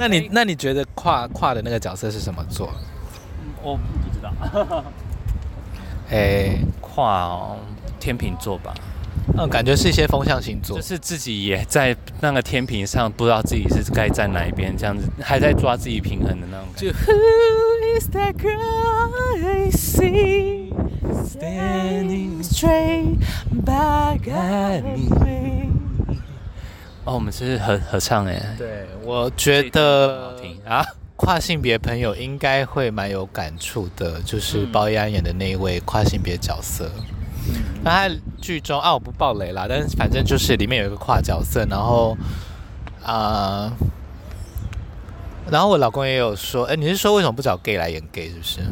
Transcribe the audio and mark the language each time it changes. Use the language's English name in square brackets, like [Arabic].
[Chinese] 那你觉得跨的那个角色是什么座？我不知道。哎、欸，跨、哦、天秤座吧。嗯，感觉是一些风向星座，就是自己也在那个天秤上，不知道自己是该站哪一边，这样子还在抓自己平衡的那种感觉。 [English] 就 Who is that girl I see standing straight back at me？ [Chinese] 哦，我们是合唱哎。对，我觉得听啊，跨性别朋友应该会蛮有感触的，就是包奕安演的那一位跨性别角色。那他剧中啊，我不爆雷啦，但是反正就是里面有一个跨角色，然后我老公也有说，哎、欸，你是说为什么不找 gay 来演 gay 是不是？